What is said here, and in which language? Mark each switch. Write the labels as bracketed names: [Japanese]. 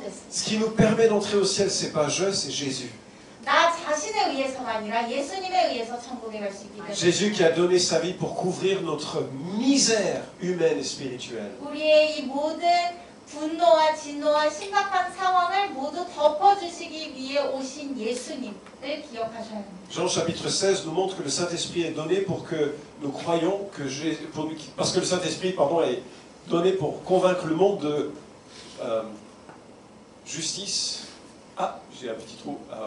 [French] Ce qui nous permet d'entrer au ciel, c'est pas je, c'est Jésus. [Korean] 나 자신에 의해서가 아니라 예수님에 의해서 천국에 갈 수 있기 때문에. [French] Jésus qui a donné sa vie pour couvrir notre misère humaine et spirituelle. [Korean] 우리의 이 모든 분노와 진노와 심각한 상황을 모두 덮어주시기 위해 오신 예수님을 기억하셔야 합니다. [French] Jean chapitre 16 nous montre que le Saint-Esprit est donné pour que nous croyions que parce que le Saint-Esprit est donné pour convaincre le monde de justice. Ah, j'ai un petit trou.